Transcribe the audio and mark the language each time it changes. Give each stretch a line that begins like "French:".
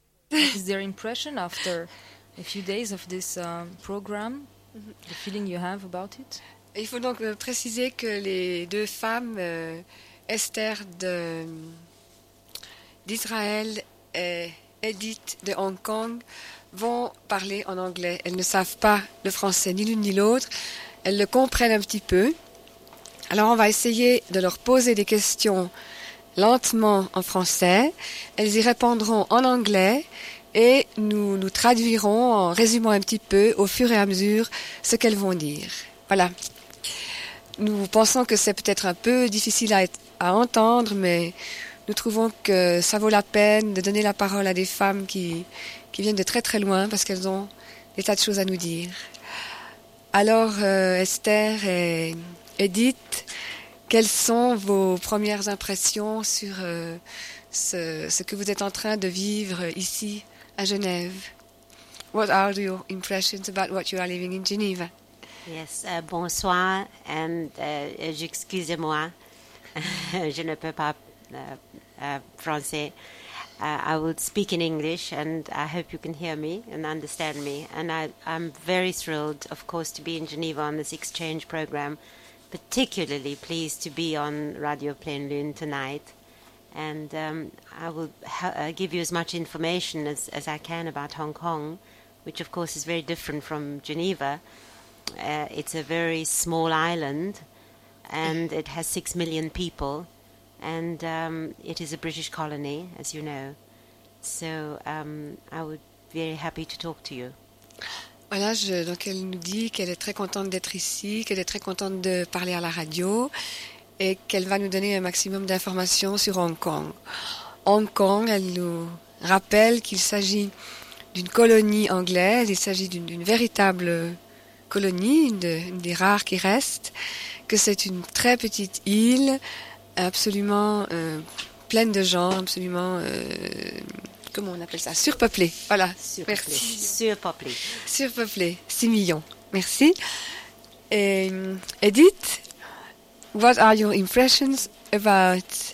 English: is their impression after a few days of this program, mm-hmm. the feeling you have about it?
French: Il faut donc préciser que les deux femmes, Esther de, d'Israël et Edith de Hong Kong, vont parler en anglais. Elles ne savent pas le français ni l'une ni l'autre. Elles le comprennent un petit peu. Alors on va essayer de leur poser des questions lentement en français. Elles y répondront en anglais et nous nous traduirons en résumant un petit peu au fur et à mesure ce qu'elles vont dire. Voilà. Nous pensons que c'est peut-être un peu difficile à entendre, mais nous trouvons que ça vaut la peine de donner la parole à des femmes qui viennent de très très loin parce qu'elles ont des tas de choses à nous dire. Alors, Esther et Edith, quelles sont vos premières impressions sur ce que vous êtes en train de vivre ici à Genève?
English: What are your impressions about what you are living in Geneva?
French: Yes, bonsoir, and excusez-moi, je ne peux pas français.
English: I will speak in English, and I hope you can hear me and understand me. And I'm very thrilled, of course, to be in Geneva on this exchange program, particularly pleased to be on Radio Pleine Lune tonight. And I will give you as much information as I can about Hong Kong, which, of course, is very different from Geneva. It's a very small island, and it has 6 million people, and it is a British colony, as you know. So I would be very happy to talk to you.
French: Voilà, donc elle nous dit qu'elle est très contente d'être ici, qu'elle est très contente de parler à la radio, et qu'elle va nous donner un maximum d'informations sur Hong Kong. Hong Kong, elle nous rappelle qu'il s'agit d'une colonie anglaise, il s'agit d'une véritable colonie, une des rares qui reste, que c'est une très petite île, absolument pleine de gens, absolument, comment on appelle ça, surpeuplée. Voilà, surpeuplée. Merci. Surpeuplée, 6 millions. Merci.
English: Et, Edith, what are your impressions about...